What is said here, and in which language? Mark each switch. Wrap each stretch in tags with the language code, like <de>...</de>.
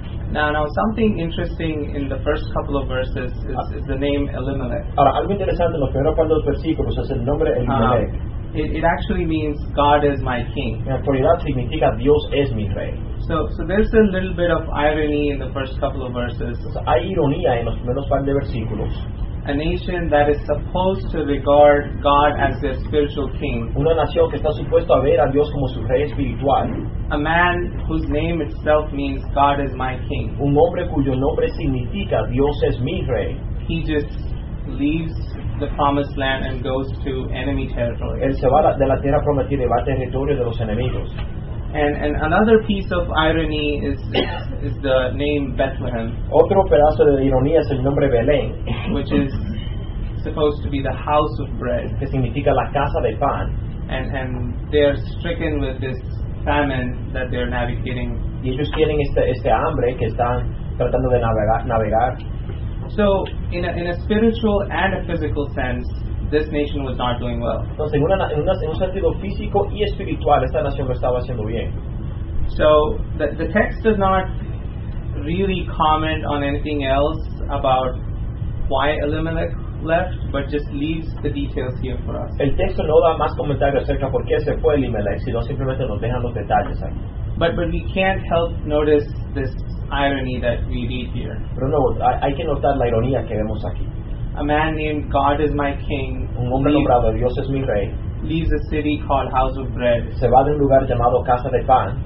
<en>Now something interesting in the first couple of verses is the name Elimelech.</en> <es>Ahora, algo interesante en los primeros par de los versículos es el nombre Elimelech.</es> <en>It actually means God is my king.</en> <es>En actualidad significa Dios es mi rey.</es> <en>So there's a little bit of irony in the first couple of verses.</en> <es>O sea, hay ironía en los primeros par de versículos.</es> <en>A nation that is supposed to regard God as their spiritual king.</en> <es>Una nación que está supuesto a ver a Dios como su rey espiritual.</es> <en>A man whose name itself means God is my king.</en> <es>Un hombre cuyo nombre significa Dios es mi rey.</es> <en>He just leaves the promised land and goes to enemy territory.</en> <es>Él se va de la tierra prometida y va a territorio de los enemigos.</es> <en>And another piece of irony is the name Bethlehem.</en> <es>Otro pedazo de ironía es el nombre Belén,</es> <en>which is supposed to be the house of bread,</en> <es>que significa la casa de pan.</es> <en>And they are stricken with this famine that they are navigating.</en> <es>Y ellos tienen este hambre que están tratando de navegar.</es> <en>So in a spiritual and a physical sense, this nation was not doing well.</en> <es>Entonces, en un sentido físico y espiritual, esta nación no estaba haciendo bien.</es> <en>So the text does not really comment on anything else about why Elimelech left, but just leaves the details here for us.</en> <es>El texto no da más comentarios acerca por qué se fue Elimelech, sino simplemente nos dejan los detalles ahí.</es> <en>But we can't help notice this irony that we read here.</en> <es>Pero no, hay que notar la ironía que vemos aquí.</es> <en>A man named God is my king.</en> <es>Un hombre nombrado Dios es mi rey.</es> <en>Leaves a city called House of Bread.</en> <es>Se va de un lugar llamado Casa de Pan.</es>